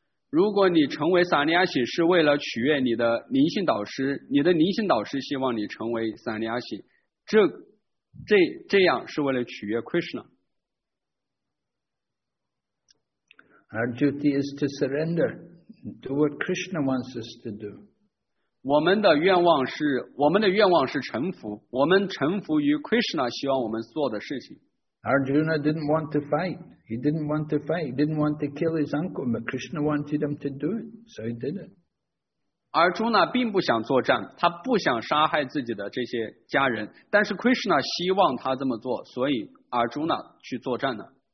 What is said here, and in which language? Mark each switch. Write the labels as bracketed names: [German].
[Chinese] 如果你成为萨尼亚西是为了取悦你的灵性导师，你的灵性导师希望你成为萨尼亚西，这样是为了取悦 Krishna。 [English] Our duty is to surrender, do what Krishna wants us to do. [Chinese] 我们的愿望是臣服，我们臣服于 Krishna 希望我们做的事情。 [English] Arjuna didn't want to fight. He didn't want to fight. He didn't want to kill his uncle, but Krishna wanted him to do it, so he did it. [Chinese] Arjuna 并不想作战，他不想杀害自己的这些家人，但是 Krishna 希望他这么做，所以 Arjuna 去作战了。